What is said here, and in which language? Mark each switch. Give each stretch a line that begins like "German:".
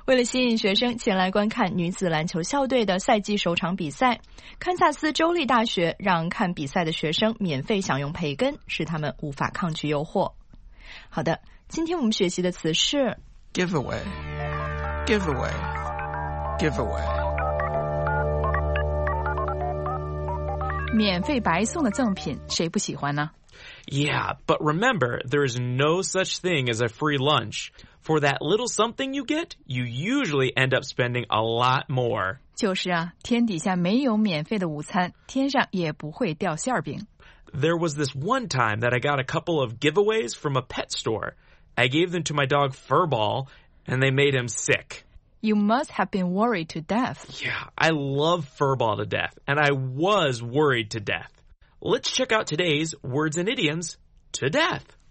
Chinese: 为了吸引学生前来观看女子篮球校队的赛季首场比赛，堪萨斯州立大学让看比赛的学生免费享用培根，使他们无法抗拒诱惑。好的，今天我们学习的词是
English: giveaway, giveaway, giveaway.
Chinese: 免费白送的赠品谁不喜欢呢
English: Yeah, but remember, there is no such thing as a free lunch. For that little something you get, you usually end up spending a lot more.
Chinese: 就是啊，天底下没有免费的午餐，天上也不会掉馅饼。
English: There was this one time that I got a couple of giveaways from a pet store. I gave them to my dog Furball, and they made him sick. You must have been worried to death. Yeah, I love Furball to death, and I was worried to death. Let's check out today's words and idioms to death.